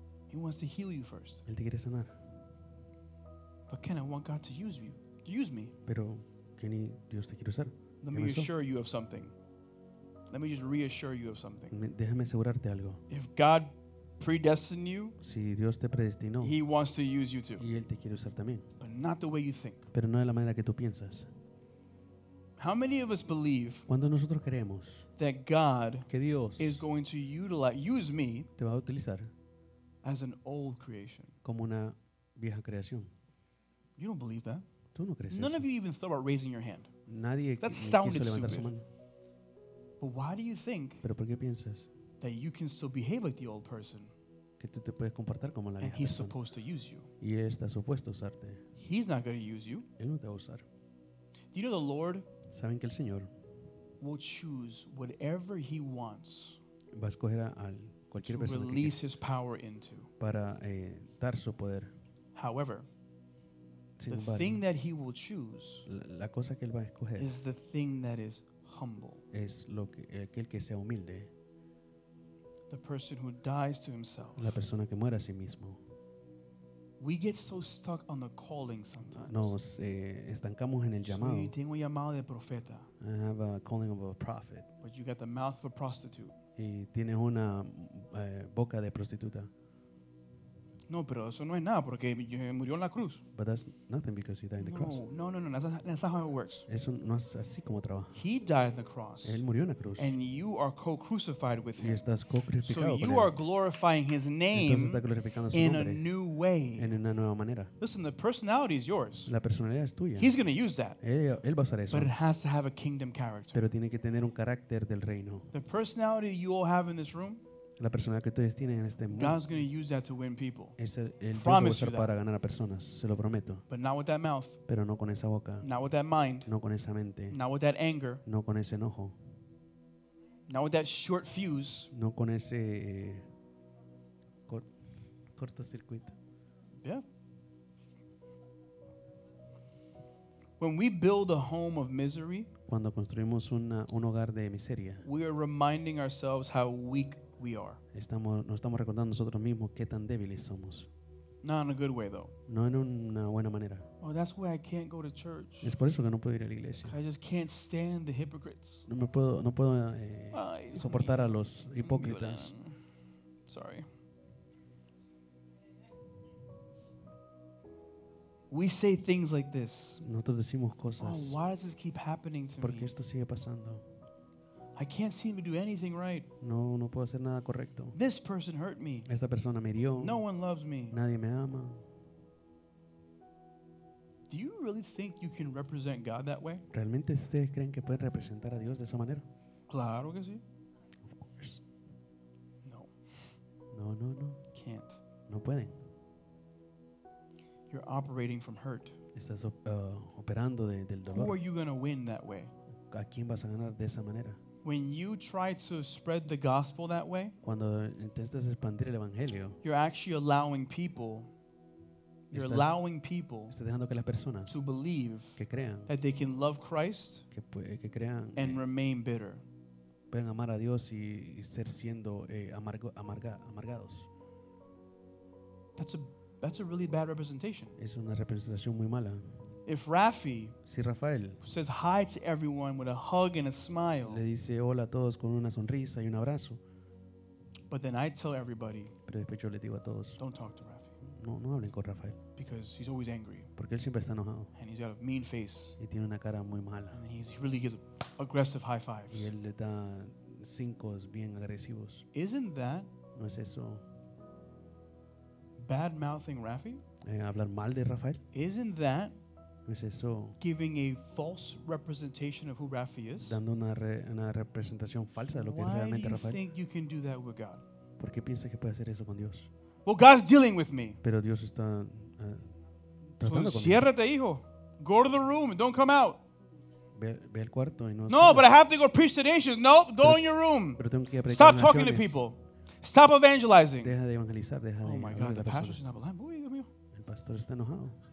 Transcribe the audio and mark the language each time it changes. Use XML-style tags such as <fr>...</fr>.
<en>He wants to heal you first.</en> <es>Él te quiere sanar.</es> <en>But can I want God to use you? Use me.</en> <es>Pero, ¿quién y Dios te quiere usar?</es> <en>Let me reassure you of something. Let me just reassure you of something.</en> <es>Déjame asegurarte algo.</es> <en>If God predestined you,</en> <es>si Dios te predestinó,</es> <en>He wants to use you too.</en> <es>Y él te quiere usar también.</es> <en>But not the way you think.</en> <es>Pero no de la manera que tú piensas.</es> <en>How many of us believe</en> <es>Cuando nosotros creemos</es> <en>that God</en> <es>que Dios</es> <en>is going to utilize, use me</en> <es>te va a utilizar</es> <en>as an old creation?</en> <es>Como una vieja creación.</es> <en>You don't believe that.</en> <es>¿Tú no crees</es> <en>None</en> <es>eso?</es> <en>Of you even thought about raising your hand.</en> <es>Nadie</es> <en>that sounded stupid. But why do you think</en> <es>¿Pero por qué piensas</es> <en>that you can still behave like the old person</en> <es>que tú te puedes comportar como la</es> <en>and he's supposed to use you?</en> <es>Y él está supuesto a usarte.</es> <en>He's not going to use you.</en> <es>Él no te va a usar.</es> <en>Do you know the Lord</en> <es>¿Saben que el Señor</es> <en>will choose whatever he wants</en> <es>va a escoger a cualquier</es> <en>to</en> <es>persona</es> <en>release</en> <es>que quiera</es> <en>his power into?</en> <es>Para, dar su poder.</es> <en>However, The thing that he will choose</en> <es>la cosa que él va a escoger</es> <en>is the thing that is humble.</en> <es>Es lo que, aquel que sea humilde.</es> <en>The person who dies to himself.</en> <es>La persona que muere a sí mismo.</es> <en>We get so stuck on the calling sometimes.</en> <es>Nos estancamos en el llamado. So yo tengo un llamado de profeta.</es> <en>I have a calling of a prophet. But you got the mouth of a prostitute.</en> <es>Y tienes una boca de prostituta. No, pero eso no es nada porque murió en la cruz.</es> <en>But that's nothing because he died in the</en> <es>no,</es> <en>cross. No, that's not how it works.</en> <es>Eso no es así como trabaja.</es> <en>He died on the cross.</en> <es>Él murió en la cruz.</es> <en>And you are co-crucified with him.</en> <es>Y estás co-crucificado</es> <en>so you</en> <es>él.</es> <en>Are glorifying his name</en> <es>Entonces está glorificando su</es> <en>in</en> <es>nombre</es> <en>a new way.</en> <es>En una nueva manera.</es> <en>Listen, the personality is yours.</en> <es>La personalidad es tuya.</es> <en>He's going to use that.</en> <es>Él va a usar eso.</es> <en>But it has to have a kingdom character.</en> <es>Pero tiene que tener un carácter del reino.</es> <en>The personality you all have in this room</en> <es>La persona que ustedes tienen en este mundo.</es> <en>God's going to use that to win people.</en> <es>Él va a usar para ganar a personas, se lo prometo.</es> <en>But not with that mouth.</en> <es>Pero no con esa boca.</es> <en>Not with that mind.</en> <es>No con esa mente.</es> <en>Not with that anger.</en> <es>No con ese enojo.</es> <en>Not with that short fuse.</en> <es>No con ese cortocircuito.</es> <en>Yeah. When we build a home of misery,</en> <es>cuando construimos un hogar de miseria.</es> <en>We are reminding ourselves how weak we are.</en> <es>Nos estamos recordando nosotros mismos qué tan débiles somos.</es> <en>Not in a good way, though.</en> <es>No en una buena manera.</es> <en>Oh, that's why I can't go to church.</en> <es>Es por eso que no puedo ir a la iglesia.</es> <en>I just can't stand the hypocrites.</en> <es>No puedo soportar a los hipócritas.</es> <en>Sorry. We say things like this.</en> <es>Nosotros decimos cosas.</es> <en>Oh, why does this keep happening to me?</en> <es>Porque esto sigue pasando.</es> <en>I can't seem to do anything right.</en> <es>No puedo hacer nada correcto.</es> <en>This person hurt me.</en> <es>Esta persona me hirió.</es> <en>No one loves me.</en> <es>Nadie me ama.</es> <en>Do you really think you can represent God that way?</en> <es>¿Realmente ustedes creen que pueden representar a Dios de esa manera? Claro que sí.</es> <en>Of course. No.</en> <es>No.</es> <en>Can't.</en> <es>No pueden.</es> <en>You're operating from hurt.</en> <es>Estás operando del dolor.</es> <en>Who are you going to win that way?</en> <es>¿A quién vas a ganar de esa manera?</es> <en>When you try to spread the gospel that way,</en> <es>cuando intentas expandir el evangelio,</es> <en>you're allowing people</en> <es>estás dejando que las personas</es> <en>to believe</en> <es>que crean</es> <en>that they can love Christ</en> <es>que crean</es> <en>and remain bitter.</en> <es>Pueden amar a Dios y ser siendo amargados.</es> <en>That's a really bad representation.</en> <es>Es una representación muy mala.</es> <en>If Rafi,</en> <es>si Rafael,</es> <en>says hi to everyone with a hug and a smile,</en> <es>le dice hola a todos con una sonrisa y un abrazo,</es> <en>but then I tell everybody,</en> <es>pero después yo le digo a todos,</es> <en>don't talk to Rafi.</en> <es>No hablen con Rafael.</es> <en>Because he's always angry.</en> <es>Porque él siempre está enojado.</es> <en>And he's got a mean face.</en> <es>Y tiene una cara muy mala.</es> <en>And he really gives aggressive high fives.</en> <es>Y él le da cinco bien agresivos.</es> <en>Isn't that?</en> <es>¿No es eso?</es> <en>Bad mouthing Rafi?</en> <es>Hablar mal de Rafael?</es> <en>Isn't that?</en> <es>Pues eso,</es> <en>giving a false representation of who Rafi is.</en> <es>Dando una representación falsa de lo que es realmente Rafael.</es> <en>Why do you think you can do that with God?</en> <es>¿Por qué piensas que puedes hacer eso con Dios?</es> <en>Well, God's dealing with me.</en> <es>Pero Dios está tratando conmigo. Enciérrate, hijo.</es> <en>Go to the room and don't come out.</en> <es>Ve al cuarto y no. No, sale.</es> <en>But I have to go preach to the nations. No, go in your room.</en> <es>Pero tengo que ir a predicar.</es> <en>Stop talking to people. Stop evangelizing.</en> <es>Deja de evangelizar. Deja oh de.</es> <en>Oh my God, the pastor is not blind.</en> <es>El pastor está enojado.</es>